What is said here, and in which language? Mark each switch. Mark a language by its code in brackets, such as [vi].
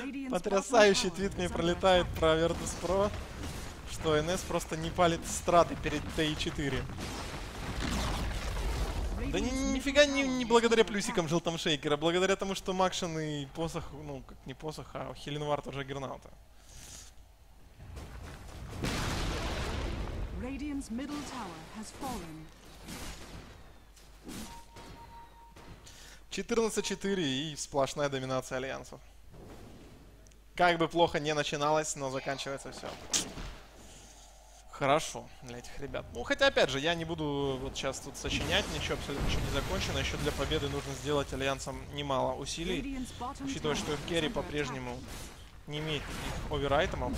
[ru] Потрясающий твит мне пролетает про Virtus Pro. Что НС просто не палит страты перед ТИ-4. Да нифига не благодаря плюсикам желтом Шейкера, благодаря тому, что Макшин и посох, ну как не посох, а Хиленвар тоже Джаггернаута. [en] Radiant's middle tower has fallen. 14-4 [ru] и сплошная доминация Альянсов. Как бы плохо не начиналось, но заканчивается все хорошо для этих ребят. Ну, хотя, опять же, я не буду вот сейчас тут сочинять, ничего абсолютно еще не закончено. Еще для победы нужно сделать Альянсам немало усилий, учитывая, что их керри по-прежнему не имеет никаких оверайтемов.